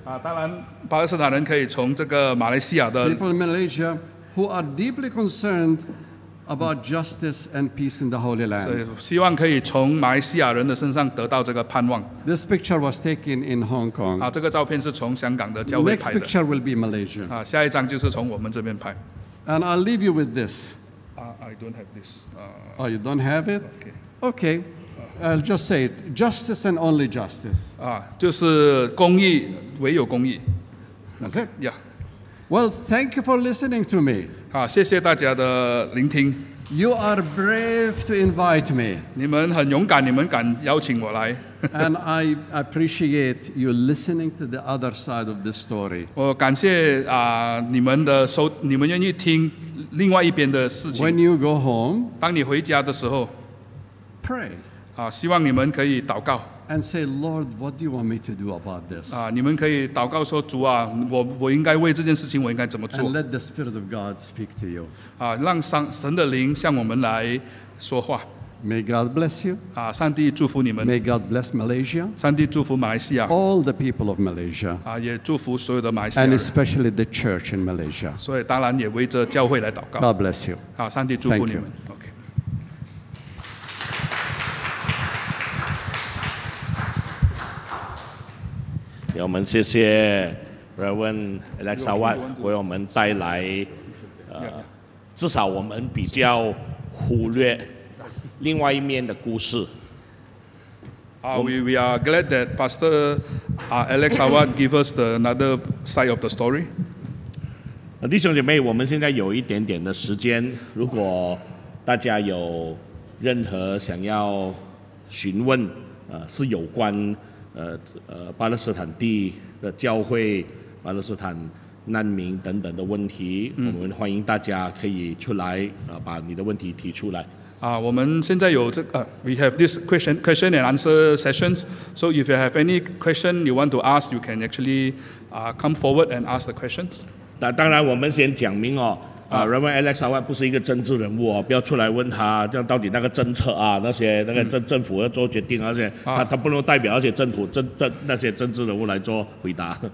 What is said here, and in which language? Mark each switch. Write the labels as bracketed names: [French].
[Chinese] 当然，巴勒斯坦人可以从这个马来西亚的 [English] people in Malaysia who are deeply concerned about justice and peace in the Holy Land. [Chinese] 希望可以从马来西亚人的身上得到这个盼望。 [English] This picture was taken in Hong Kong. [Chinese] 这个照片是从香港的教会拍的。 [English] Next picture will be Malaysia. [Chinese] 下一张就是从我们这边拍。 [English] And I'll leave you with this. I don't have this. Oh, you don't have it? Okay. Okay. I'll just say it. Justice and only justice. [Chinese] 就是公义，唯有公义。 [English] That's it? Yeah. Well, thank you for listening to me. [Chinese] 谢谢大家的聆听。 [English] You are brave to invite me. [Chinese] 你们很勇敢，你们敢邀请我来。 [English] And I appreciate you listening to the other side of the story. [Chinese] 我感谢你们的收，你们愿意听另外一边的事情。 [English] When you go home, [Chinese] 当你回家的时候 [English] ，pray. [Chinese] 希望你们可以祷告。 [English] And say, Lord, what do you want me to do about this? [Chinese] 你们可以祷告说，主啊，我应该为这件事情，我应该怎么做 [English] ？And let the Spirit of God speak to you. [Chinese] 让神的灵向我们来说话。 [English] May God bless you. [Chinese] 上帝祝福你们。 [English] May God bless Malaysia. [Chinese] 上帝祝福马来西亚。 [English] All the people of Malaysia. [Chinese] 也祝福所有的马来西亚。 [English] And especially the church in Malaysia. [Chinese] 所以当然也为这教会来祷告。 [English] God bless you. [Chinese] 上帝祝福你们。 [English] Thank you. [Chinese] Okay. 让我们谢谢 Reverend Alex Awad 为我们带来。至少我们比较忽略另外一面的故事。 [English] We are glad that Pastor Alex Awad gave us the another side of the story. [Chinese] 弟兄姐妹，我们现在有一点点的时间，如果大家有任何想要询问，是有关巴勒斯坦地的教会、巴勒斯坦难民等等的问题，我们欢迎大家可以出来，把你的问题提出来。我们现在有这个 [English] we have this question and answer sessions. So if you have any question you want to ask, you can actually come forward and ask the questions. [Chinese] 当然我们先讲明哦，Reverend Alex Howard 不是一个政治人物哦，不要出来问他，这样到底那个政策啊，那些那个政府要做决定，而且他不能代表那些政府那些政治人物来做回答。